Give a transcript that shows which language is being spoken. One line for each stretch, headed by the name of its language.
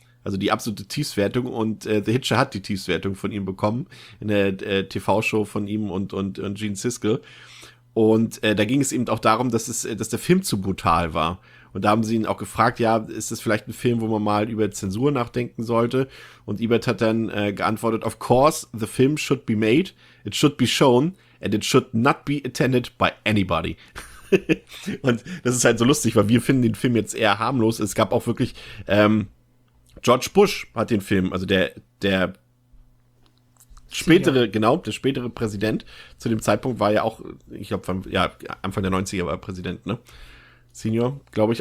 German: Also die absolute Tiefswertung und The Hitcher hat die Tiefswertung von ihm bekommen in der TV-Show von ihm und Gene Siskel. Und da ging es eben auch darum, dass der Film zu brutal war. Und da haben sie ihn auch gefragt, ja, ist das vielleicht ein Film, wo man mal über Zensur nachdenken sollte? Und Ebert hat dann geantwortet,
English: of course, the film should be made, it should be shown, and it should not be attended by anybody.
German: Und das ist halt so lustig, weil wir finden den Film jetzt eher harmlos. Es gab auch wirklich George Bush hat den Film, also der spätere Präsident zu dem Zeitpunkt war ja auch, ich glaube, ja, Anfang der 90er war er Präsident, ne? Senior, glaube ich.